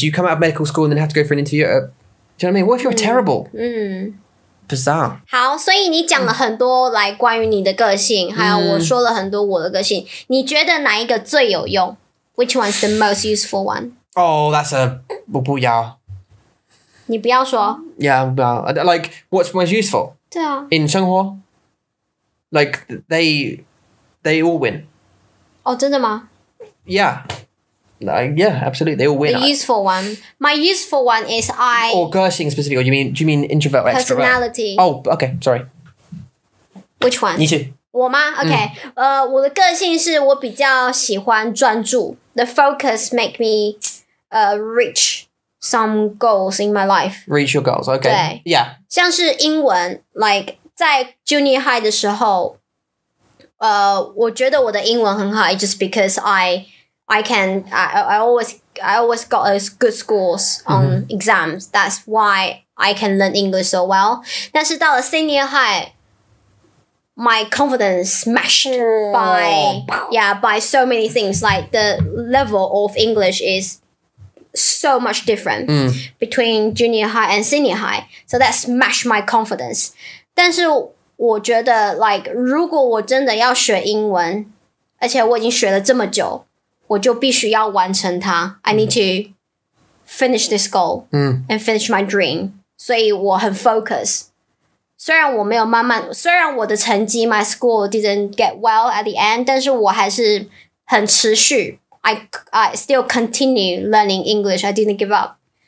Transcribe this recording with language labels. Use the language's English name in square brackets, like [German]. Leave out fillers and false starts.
[English] Do you come out of medical school and then have to go for an interview? Do you know what I mean? What if you're terrible? Bizarre. [Chinese] 好，所以你讲了很多来关于你的个性，还有我说了很多我的个性。你觉得哪一个最有用 ？ [English] Which one's the most useful one? Oh, that's a [Chinese] 我不要。你不要说。 [English] Yeah, [Chinese] 不要。 [English] Like, what's most useful? [Chinese] 对啊。 [English] In 生活 ，like they all win. [Chinese] 哦，真的吗 [English] ？Yeah. Yeah, absolutely. They all win. The useful one. My useful one is I... Or 个性 specifically, or do you mean introvert or extrovert? Personality. Oh, okay, sorry. Which one? [Chinese] 你去。我吗?Okay. 我的个性是我比较喜欢专注。 [English] The focus make me reach some goals in my life. Reach your goals, okay. [Chinese] 对。 [English] Yeah. 像是英文, like, 在 junior high 的时候, [Chinese] 我觉得我的英文很好, [English] just because I always got those good scores on exams. That's why I can learn English so well. [Chinese] 但是到了 [English] senior high, my confidence smashed by so many things. Like the level of English is so much different between junior high and senior high. So that smashed my confidence. [Chinese] 但是我觉得 like 如果我真的要学英文，而且我已经学了这么久。我就必须要完成它。 [English] I need to finish this goal and finish my dream. [Chinese] 所以我很 focus. 虽然我没有慢慢，虽然我的成绩 [English] my score didn't get well at the end, [Chinese] 但是我还是很持续。 [English] I still continue learning English. I didn't give up.